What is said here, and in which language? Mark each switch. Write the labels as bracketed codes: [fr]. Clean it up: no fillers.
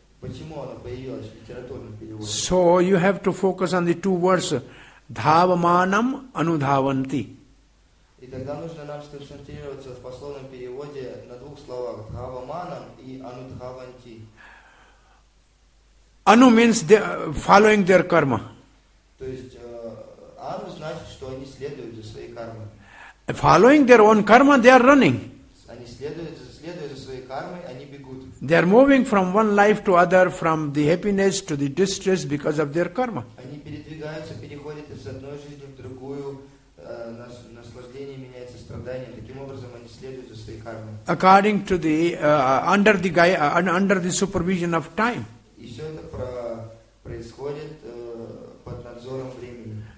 [ru] Почему оно появилось в литературном переводе? [en] So you have to focus on the two words. [sa] Dhavamanam anudhavanti. [ru] И тогда нужно нам сконцентрироваться в пословном переводе на двух словах dhavamanam и anudhavanti. [en] Anu means they following their karma. [ru] То есть anu значит, что они следуют за своей кармой. [en] Following their own karma, they are running. [ru] Они следуют за своей кармой, они бегут. [en] They are moving from one life to other, from the happiness to the distress because of their karma. [ru] Они передвигаются, переходят из одной жизни в другую, наслаждение меняется, страдание. Таким образом, они следуют за своей кармой. [en] According to the under the supervision of time. [ru] И все это происходит под надзором времени.